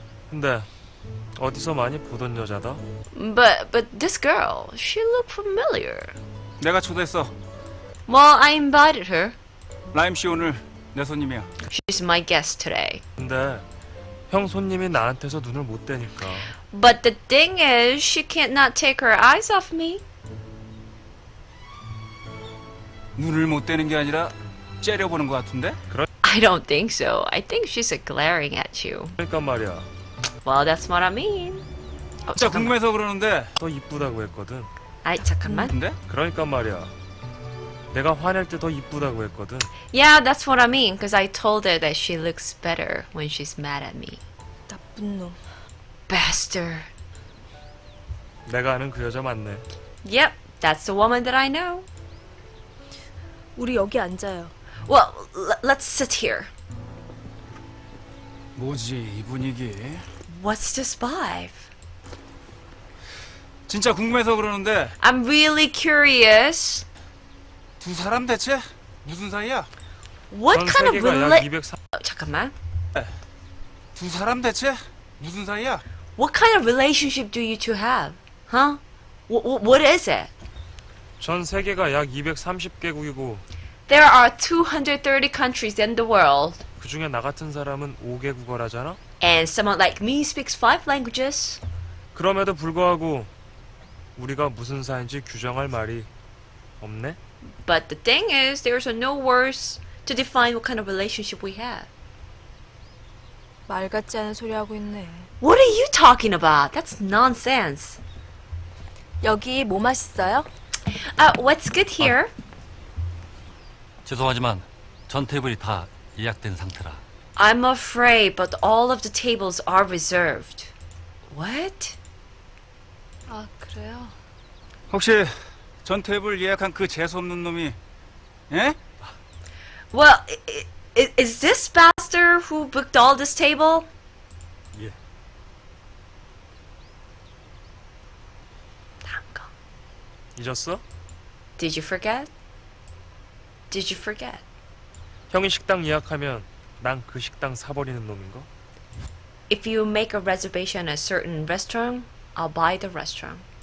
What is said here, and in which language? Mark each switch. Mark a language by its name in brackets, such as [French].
[Korean] 근데 어디서 많이 보던 여자다. [English] But this girl, she look familiar. [Korean] 내가 초대했어. [English] Well, I invited her. [Korean] 라임 씨 오늘 내 손님이야. [English] She's my guest today. [Korean] 근데 형 손님이 나한테서 눈을 못 떼니까. [English] But the thing is, she can't not take her eyes off me. [Korean] 눈을 못 떼는 게 아니라 째려보는 것 같은데? [English] I don't think so. I think she's glaring at you. [Korean] 그러니까 말이야. [English] Well, that's what I mean. [Korean] 진짜 궁금해서 그러는데. 더 이쁘다고 했거든. 아이, 잠깐만. 근데? 그러니까 말이야. 내가 화낼 때 더 이쁘다고 했거든. [English] Yeah, that's what I mean. Because I told her that she looks better when she's mad at me. [Korean] 나쁜 놈. [English] Bastard. [Korean] 내가 아는 그 여자 맞네. [English] Yep, that's the woman that I know. [Korean] 우리 여기 앉아요. [English] Well, let's sit here. [Korean] 뭐지, 이 분위기? [English] What's this vibe? [Korean] 진짜 궁금해서 그러는데. [English] I'm really curious. [Korean] 두 사람 대체 무슨 사이야? [English] What kind of relationship? [Korean] 잠깐만. 두 사람 대체 무슨 사이야? What kind of relationship do you two have? [English] Huh? What is it? [Korean] 전 세계가 약 230개국이고. [English] There are 230 countries in the world. [Korean] 그 중에 나 같은 사람은 5개 국어라잖아. [English] And someone like me speaks 5 languages. [Korean] 그럼에도 불구하고 우리가 무슨 사이인지 규정할 말이 없네. [English] But the thing is, there's no words to define what kind of relationship we have. [Korean] 말 같지 않은 소리 하고 있네. [English] What are you talking about? That's nonsense. [Korean] 여기 뭐 맛있어요? [English] What's good here? [Korean] 죄송하지만 전 테이블이 다 예약된 상태라. [English] I'm afraid, but all of the tables are reserved. What? [Korean] 아, 그래요? 혹시 전 테이블 예약한 그 재수없는 놈이, 예? [English] Well, is this bastard who booked all this table? [Korean] 예. 다음 거. 잊었어? [English] Did you forget? Did you forget? [Korean] 형이 식당 예약하면 난 그 식당 사버리는 놈인가? [English] If you make a reservation at a certain restaurant, I'll buy the restaurant.